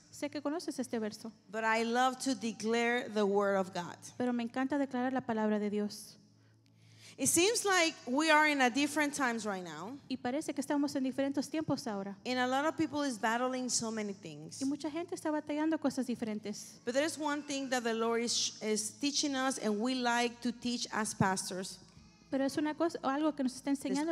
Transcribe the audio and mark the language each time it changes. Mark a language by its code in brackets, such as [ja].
[es] Sé que conoces este verso. [en] But I love to declare the word of God. [es] Pero me encanta declarar la palabra de Dios. [en] It seems like we are in a different times right now. [es] Y parece que estamos en diferentes tiempos ahora. [en] And a lot of people is battling so many things. [es] Y mucha gente está batallando cosas diferentes. [en] But there's one thing that the Lord is teaching us, and we like to teach as pastors. [es] Pero es una cosa, algo que nos está enseñando.